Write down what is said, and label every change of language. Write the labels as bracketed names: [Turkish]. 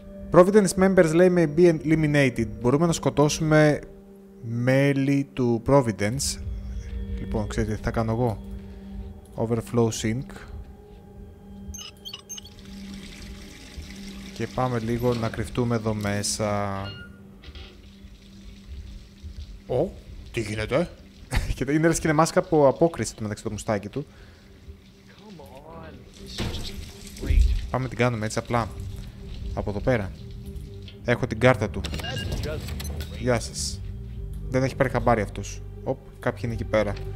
[English] Providence members [Greek] λέει [English] may be eliminated. [Greek] Μπορούμε να σκοτώσουμε μέλη του Providence. Λοιπόν, ξέρετε τι θα κάνω εγώ. [English] Overflow sink. [Greek] Και πάμε λίγο να κρυφτούμε εδώ μέσα. Ω, τι γίνεται. Και είναι λες και είναι μάσκα από απόκριση το μεταξύ το μουστάκι του. [English] Come on, this is just great. [Greek] Πάμε την κάνουμε έτσι απλά. Από εδώ πέρα. Έχω την κάρτα του. Γεια σας. Δεν έχει πάρει χαμπάρι αυτός. Οπ, κάποιοι είναι εκεί πέρα.